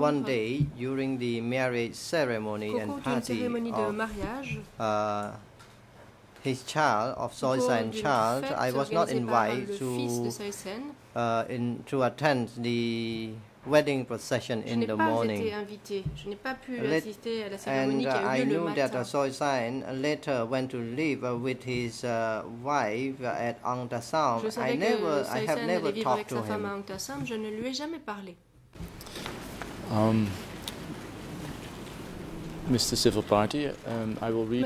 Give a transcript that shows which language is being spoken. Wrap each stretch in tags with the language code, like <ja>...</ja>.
<en>one day during the marriage ceremony and party</en> <fr>de mariage,</fr> <en>his child, of Saï Sen's child, I was not invited to attend the wedding procession in the morning.</en> <fr>Je n'ai pas été invité. Je n'ai pas pu assister à la cérémonie.</fr> <en>And I knew</en> <fr>le matin.</fr> <en>That Saï Sen later went to live with his wife at Ang Ta Sam. I have never talked to him.</en> <fr>Je ne lui ai jamais parlé.</fr> <en>Mr. Civil Party, I will read</en>